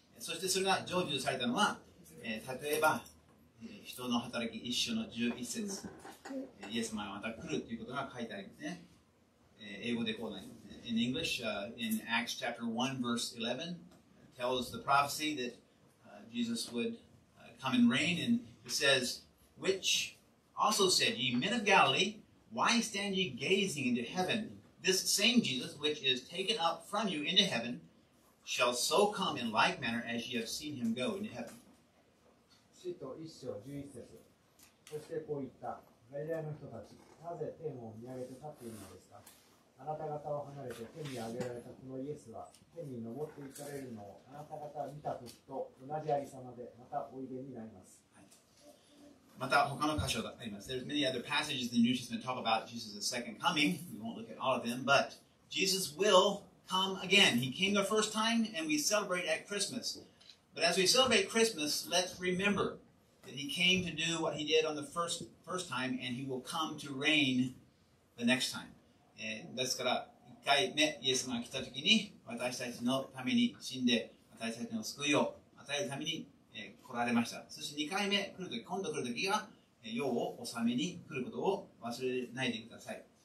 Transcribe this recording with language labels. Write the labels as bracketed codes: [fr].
[ja] そしてそれが成就されたのは、例えば、人の働き1章の11節、イエス様がまた来るということが書いてありますね。英語でこうなります、ね。 [en] In English, in Acts chapter 1 verse 11, tells the prophecy that Jesus would come and reign, and it says,Which also said, Ye men of Galilee, why stand ye gazing into heaven? This same Jesus, which is taken up from you into heaven, shall so come in like manner as ye have seen him go into heaven. [ja] 使徒一章十一節。そしてこう言った、ガリラの人たち、なぜ天を見上げて立っているのですか？あなた方を離れて天に上げられたこのイエスは、天に登って行かれるのをあなた方見た時と同じありさまでまたおいでになります。また他の箇所があります。 [en] There's many other passages in the New Testament talk about Jesus' second coming. We won't look at all of them, but Jesus will come again. He came the first time, and we celebrate at Christmas. But as we celebrate Christmas, let's remember that he came to do what he did on the first time, and he will come to reign the next time. [ja] ですから、一回目、イエス様が来た時に、私たちのために死んで、私たちの救いを与えるために、来られました。そして2回目来るとき、今度来るときが、世を治めに来ることを忘れないでください。